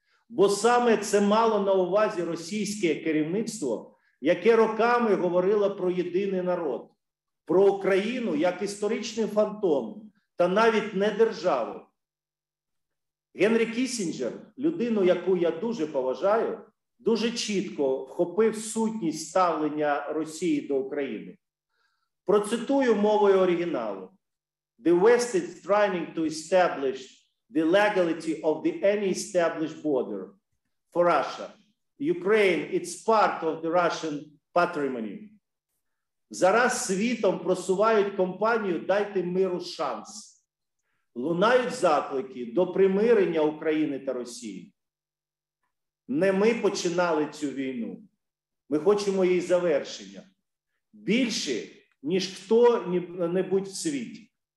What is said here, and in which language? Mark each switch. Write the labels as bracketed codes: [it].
[uk] Бо саме це мало на увазі російське керівництво, яке роками говорило про єдиний народ, про Україну як історичний фантом та навіть не державу. Генрі Кіссінджер, людину, яку я дуже поважаю, дуже чітко вхопив сутність ставлення Росії до України. Процитую мовою оригіналу. [en] The West is trying to establish the legality of the any established border for Russia. Ukraine, it's part of the Russian patrimony. [uk] Зараз світом просувають кампанію «Дайте миру шанс». Лунають заклики до примирення України та Росії. Не ми починали цю війну. Ми хочемо її завершення. Більше, ніж хто-небудь в світі.